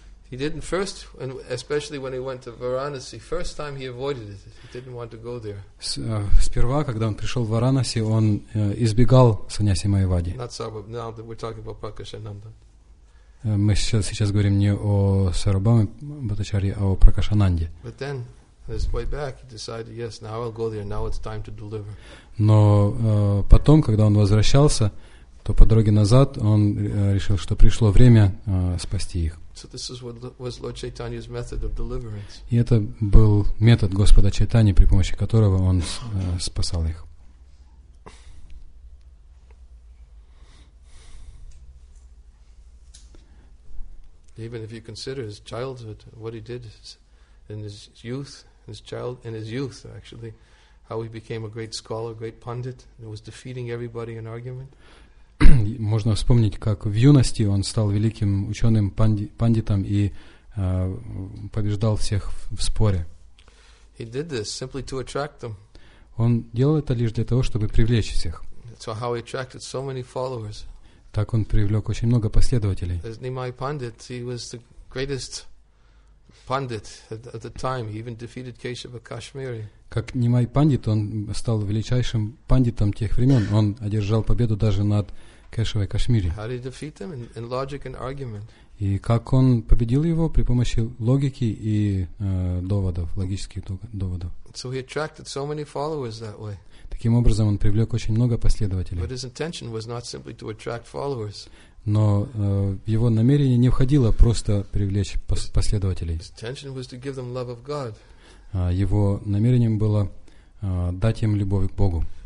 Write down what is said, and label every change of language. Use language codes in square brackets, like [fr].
[en] He didn't first, and especially when he went to Varanasi, first time he avoided it. He didn't want to go there. [ru] Сперва, когда он пришел в Варанаси, он избегал саньяси майявади. [en] Not Sarvabhauma. Now that we're talking about Prakashananda. [ru] Мы сейчас говорим не о Сарвабхауме Бхаттачарье, а о Пракашананде. [en] But then, on his way back, he decided, yes, now I'll go there. Now it's time to deliver. [ru] Но потом, когда он возвращался, то по дороге назад он решил, что пришло время спасти их. [en] So this is what was Lord Chaitanya's method of deliverance. [ru] И это был метод Господа Чайтани, при помощи которого он спасал их. [en] Even if you consider his childhood, what he did in his youth, actually, how he became a great scholar, great pundit, and was defeating everybody in argument. [ru] Можно вспомнить, как в юности он стал великим ученым, пандитом и побеждал всех в споре. [en] He did this simply to attract them. [ru] Он делал это лишь для того, чтобы привлечь всех. [en] So how he attracted so many followers. [ru] Так он привлек очень много последователей. [en] As Nimai Pandit, he was the greatest pundit at the time. He even defeated Keshava Kashmiri. [ru] Как Нимай Пандит, он стал величайшим пандитом тех времен. Он одержал победу даже над Кешавой Кашмири. [en] How did he defeat them? In logic and argument. [ru] И как он победил его? При помощи логики и доводов, логических доводов. [en] So he attracted so many followers that way. [ru] Таким образом, он привлек очень много последователей. [en] But his intention was not simply to attract followers. [ru] Но его намерение не входило просто привлечь последователей. [en] His intention was to give them love of God. [ru] Его намерением было дать им любовь к Богу.